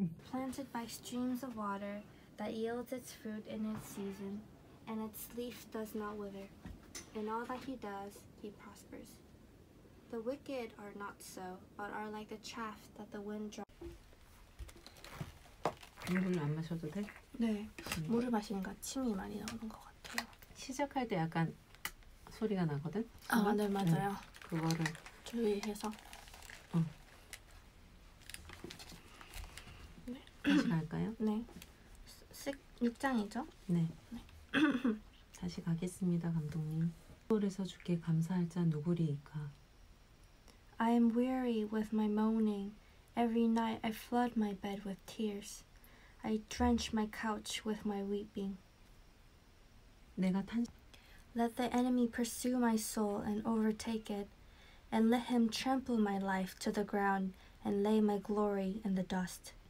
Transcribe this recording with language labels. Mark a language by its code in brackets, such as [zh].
[en] Planted by streams of water that yields its fruit in its season, and its leaf does not wither. In all that he does, he prospers. The wicked are not so, but are like the chaff that the wind drives. [ko] 물을 안 마셔도 돼? 네. 물을 마시니까 침이 많이 나오는 것 같아요. 시작할 때 약간 소리가 나거든? 아, 어? 네, 맞아요. 네. 그거를 주의해서. 네. 다시 갈까요? 네. 6장이죠? 네. 네. 다시 가겠습니다, 감독님. 돌에서 주께 감사할 자 누구리이까? [en] I am weary with my moaning. Every night I flood my bed with tears. I drench my couch with my weeping. [ko] 내가 탄 [en] Let the enemy pursue my soul and overtake it, and let him trample my life to the ground and lay my glory in the dust.